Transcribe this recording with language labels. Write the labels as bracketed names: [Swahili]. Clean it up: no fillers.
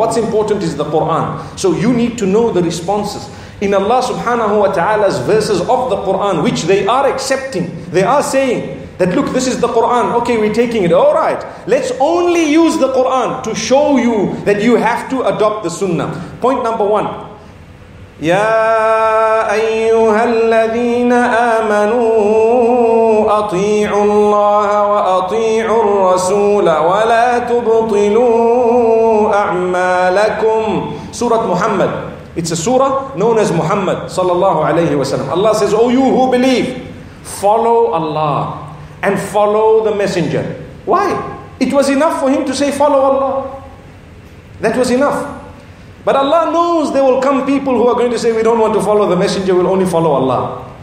[English] What's important is the Quran. So you need to know the responses. In Allah subhanahu wa ta'ala's verses of the Quran, which they are accepting, they are saying that, look, this is the Quran. Okay, we're taking it. All right. Let's only use the Quran to show you that you have to adopt the Sunnah. Point number one. [Arabic] يا أيها الذين آمنوا أطيعوا الله وأطيعوا الرسول ولا تبطلوا أعمالكم. سورة محمد. [English] It's a surah known as Muhammad sallallahu alayhi wa sallam. Allah says, oh you who believe, follow Allah and follow the messenger. Why? It was enough for him to say follow Allah. That was enough. But Allah knows there will come people who are going to say, we don't want to follow the messenger, we'll only follow Allah.